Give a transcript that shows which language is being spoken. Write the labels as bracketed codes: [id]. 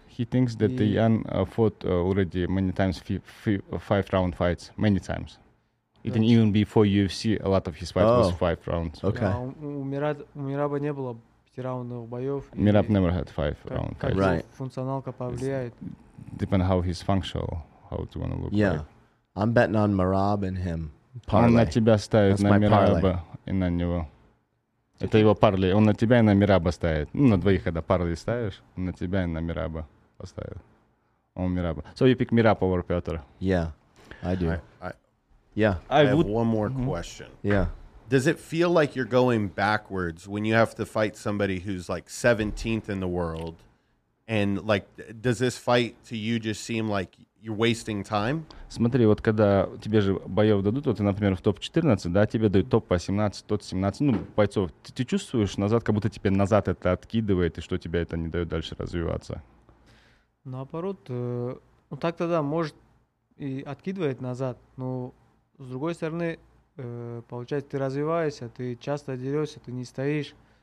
[en] He thinks that Ян fought already many times, five round fights, many times. It didn't even before UFC, a lot of his fights was five rounds. Okay. [ru] У Мираба не было пятираундных боев. [en] Мираб never had five round fights. Right. [ru] Функционалка повлияет. [en] Depend how he's functional, how it's going to look. Yeah. Like. I'm betting on Marab and him. Parlay. [ru] Он на тебя ставит, [en] that's [ru] на Мираба и на него. Это его парли. Он на тебя и на Мираба ставит. Ну, на двоих, когда парли ставишь, он на тебя и на Мираба поставит. Он Мираба. [en] So you pick Mirab over Peter. Yeah, I do. I have one more question. Yeah. Does it feel like you're going backwards when you have to fight somebody who's like 17th in the world? And like, does this fight to you just seem like you're wasting time? [ru] Смотри, вот когда тебе же боев дадут, вот ты, например, в топ-14, да, тебе дают топ-18, тот-17, ну, бойцов, ты чувствуешь назад, как будто тебе назад это откидывает, и что тебя это не дает дальше развиваться? Наоборот, ну так-то да, может и откидывает назад, но с другой стороны, получается, ты развиваешься, ты часто дерешься, ты не стоишь.